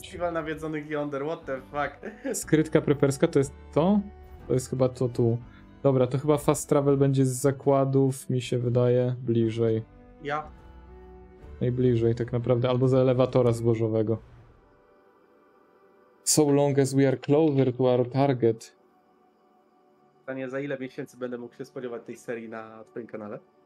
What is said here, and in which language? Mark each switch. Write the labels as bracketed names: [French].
[Polish] Festiwal nawiedzonych jąder, [English] what the fuck? [Polish] Skrytka preperska to jest to? To jest chyba to tu. Dobra, to chyba fast travel będzie z zakładów, mi się wydaje, bliżej. Ja? Najbliżej tak naprawdę, albo z elewatora zbożowego. [English] So long as we are closer to our target. [Polish] Pytanie, za ile miesięcy będę mógł się spodziewać tej serii na twoim kanale?